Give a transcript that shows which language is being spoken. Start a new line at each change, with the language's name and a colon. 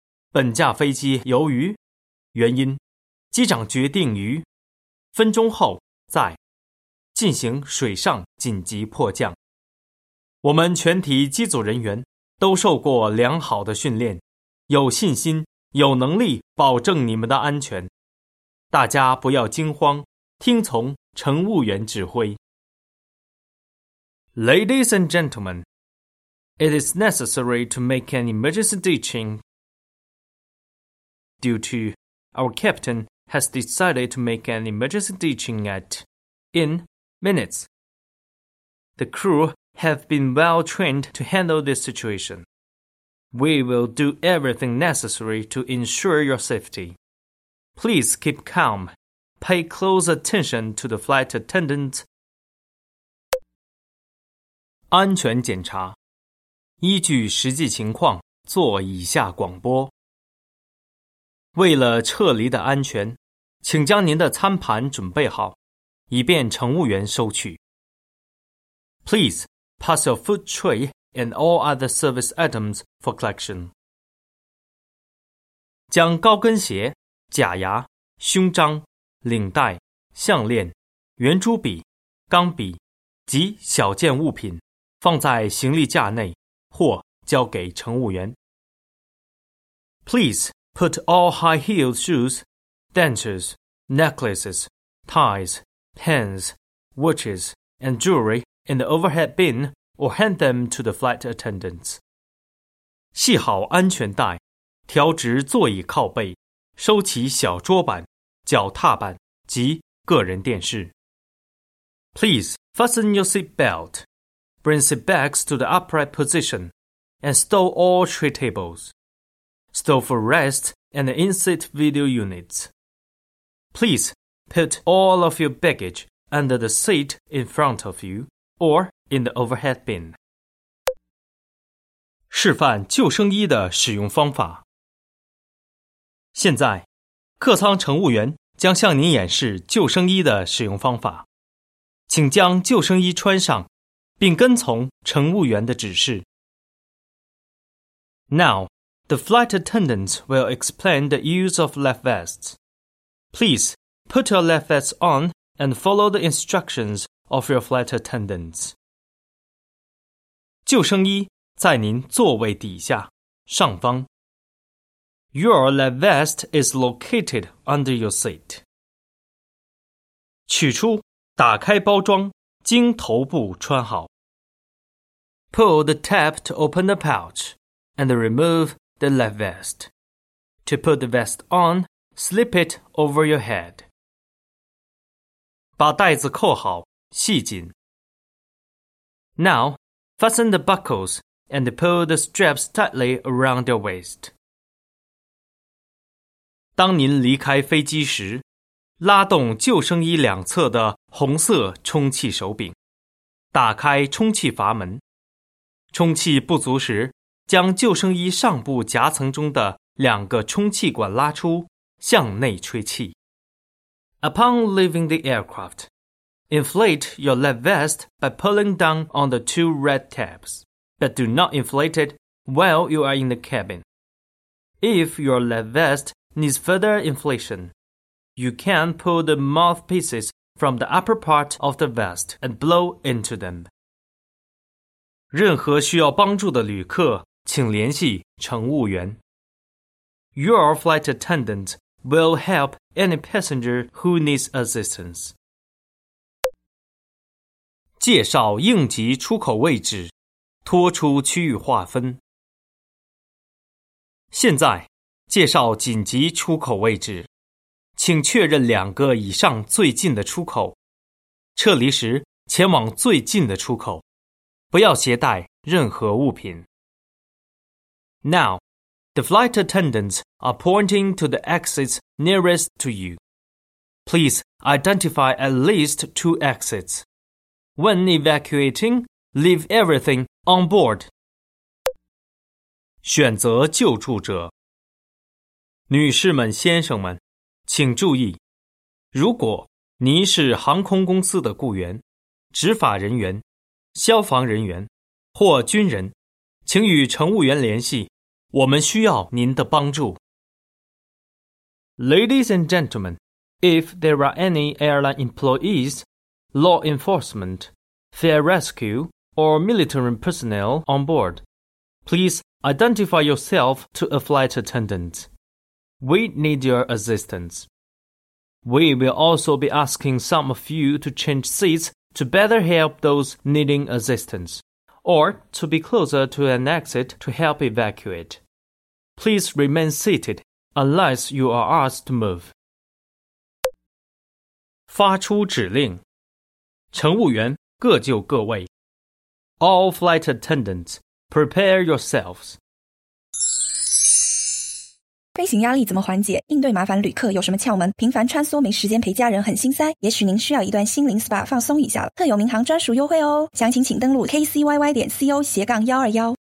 Chinese: 本架飞机由于原因，机长决定于分钟后再进行水上紧急迫降。我们全体机组人员都受过良好的训练，有信心，有能力保证你们的安全。大家不要惊慌，听从乘务员指挥。
English: Ladies and gentlemen, it is necessary to make an emergency ditching due to our captain has decided to make an emergency ditching at in minutes. The crew have been well trained to handle this situation. We will do everything necessary to ensure your safety. Please keep calm. Pay close attention to the flight attendant.
Chinese: 安全检查，依据实际情况做以下广播。为了撤离的安全，请将您的餐盘准备好，以便乘务员收取。
English: Please pass your food tray and all other service items for collection.
Chinese: 将高跟鞋、假牙、胸章、领带、项链、圆珠笔、钢笔及小件物品放在行李架内或交给乘务员。
English: Please put all high-heeled shoes, dentures, necklaces, ties, pens, watches, and jewelry in the overhead bin or hand them to the flight attendants.
Chinese: 系好安全带，调直座椅靠背，收起小桌板、脚踏板及个人电视。
English: Please fasten your seat belt. Bring seat bags to the upright position and stow all tray tables. Stow for rest and the in-seat video units. Please put all of your baggage under the seat in front of you or in the overhead bin.
Chinese: 示范救生衣的使用方法。现在，客舱乘务员将向您演示救生衣的使用方法。请将救生衣穿上并跟从乘务员的指示。
English: Now, the flight attendants will explain the use of life vests. Please put your life vests on and follow the instructions of your flight attendants.
Chinese: 救生衣在您座位底下，上方。
English: Your life vest is located under your seat.
Chinese: 取出，打开包装，经头部穿好。
English: Pull the tab to open the pouch and remove the life vest. To put the vest on, slip it over your head.
Chinese: 把带子扣好，系紧。
English: Now, fasten the buckles and pull the straps tightly around your waist.
Chinese: 当您离开飞机时，拉动救生衣两侧的红色充气手柄，打开充气阀门。充气不足时，将救生衣上部夹层中的两个充气管拉出，向内吹气。
English: Upon leaving the aircraft, inflate your life vest by pulling down on the two red tabs, but do not inflate it while you are in the cabin. If your life vest needs further inflation, you can pull the mouthpieces from the upper part of the vest and blow into them.
Chinese: 任何需要帮助的旅客请联系乘务员。
English: Your flight attendant will help any passenger who needs assistance.
Chinese: 介绍应急出口位置，拖出区域划分。现在，介绍紧急出口位置，请确认两个以上最近的出口。撤离时，前往最近的出口。不要携带任何物品。
English: Now, the flight attendants are pointing to the exits nearest to you. Please identify at least two exits. When evacuating, leave everything on board.
Chinese: 选择救助者。女士们、先生们，请注意，如果你是航空公司的雇员、执法人员、消防人员或军人，请与乘务员联系，我们需要您的帮助。
English: Ladies and gentlemen, if there are any airline employees, law enforcement, fire rescue, or military personnel on board, please identify yourself to a flight attendant. We need your assistance. We will also be asking some of you to change seats to better help those needing assistance, or to be closer to an exit to help evacuate. Please remain seated unless you are asked to move.
Chinese: 发出指令，乘务员各就各位。
English: All flight attendants, prepare yourselves.
Chinese: 飞行压力怎么缓解？应对麻烦旅客有什么窍门？频繁穿梭没时间陪家人很心塞？也许您需要一段心灵 SPA 放松一下了。特有民航专属优惠哦，详情请登录 kcyy.co/121。